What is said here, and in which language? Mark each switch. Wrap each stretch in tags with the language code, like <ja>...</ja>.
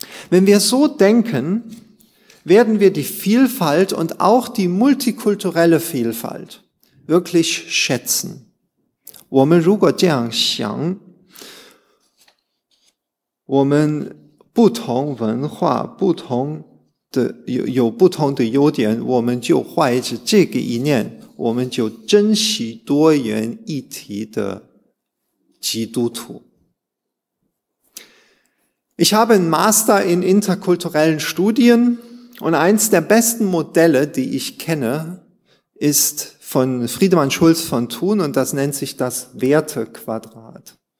<de>Wenn wir so denken, werden wir die Vielfalt und auch die multikulturelle Vielfalt wirklich schätzen.</de> <zh>我们如果这样想，我们不同文化、不同的有不同的优点，我们就怀着这个意念，我们就珍惜多元一体的基督徒。</zh> <de>Ich habe einen Master in interkulturellen Studien. Und eins der besten Modelle, die ich kenne, ist von Friedemann Schulz von Thun und das nennt sich das Wertequadrat.</de>